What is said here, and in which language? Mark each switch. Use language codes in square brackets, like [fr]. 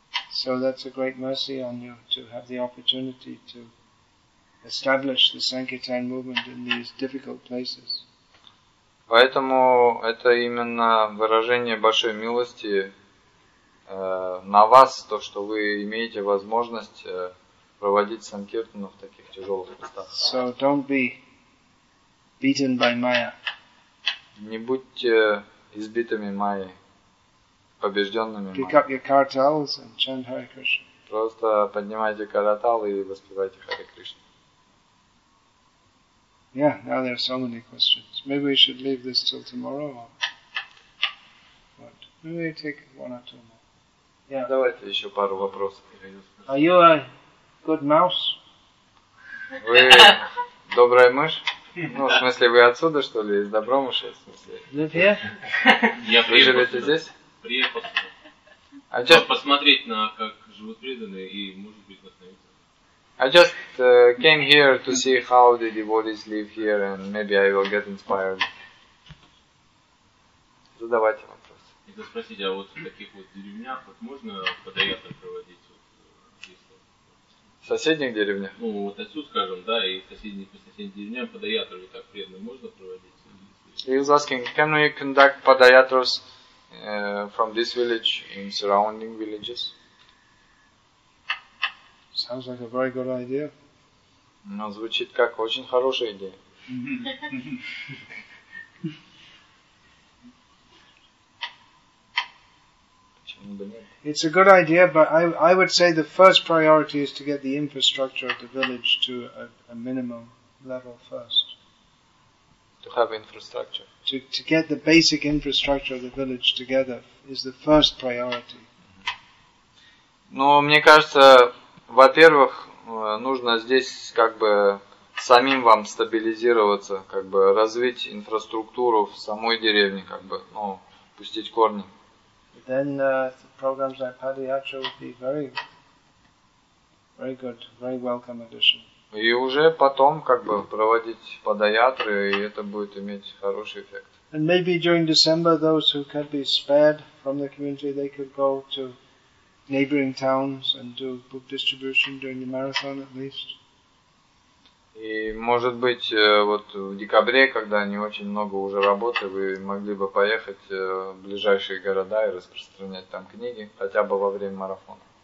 [en] So that's a great mercy on you to have the opportunity to establish the Sankirtan movement in these difficult places. [ru] Поэтому это именно выражение большой милости на вас, то, что вы имеете возможность проводить санкиртану в таких тяжелых местах. [en] So don't be beaten by Maya. [ru] Не будьте избитыми Майей, побежденными [en] Майей. Pick up your cartels and chant Hare Krishna. [ru] Просто поднимайте караталы и воспевайте Харе Кришну. [en] Yeah, now there are so many questions. Maybe we should leave this till tomorrow. Or... But maybe we take one or two more. Yeah. [ru] Давайте еще пару вопросов. [en] Are you a good mouse? [ru] Вы добрая мышь? Ну, в смысле, вы отсюда, что ли? Из Добромыши, в смысле? [en] Live here? [ru] Вы живете здесь? Приехал сюда. Посмотреть на как живут преданные и, может быть, восстановиться. [en] I just came here to see how the devotees live here, and maybe I will get inspired. [ru] Задавайте вопрос. Это спросите, а вот в таких вот деревнях вот можно подаяться проводить вот в соседних деревнях? Ну вот отсюда, скажем, да, и по соседним деревням подаяться вот так преданно можно проводить. [en] He was asking, can we conduct подаятрус from this village in surrounding villages? Sounds like a very good idea. [ru] Но звучит как очень хорошая идея. Почему бы нет? [en] It's a good idea, but I would say the first priority is to get the infrastructure of the village to a minimum level first. To have infrastructure. To get the basic infrastructure of the village together is the first priority. [ru] Но мне кажется, во-первых, нужно здесь как бы самим вам стабилизироваться, как бы развить инфраструктуру в самой деревне, как бы, ну, пустить корни. [en] Then programs like Padayatra would be very, very good, very welcome addition. [ru] И уже потом как бы проводить падаятры, и это будет иметь хороший эффект. [en] And maybe during December those who could be spared from the community, they could go to neighboring towns and do book distribution during the marathon at least. [ru] И может быть вот в декабре, когда не очень много уже работы, вы могли бы поехать в ближайшие города и распространять там книги, хотя бы во время марафона.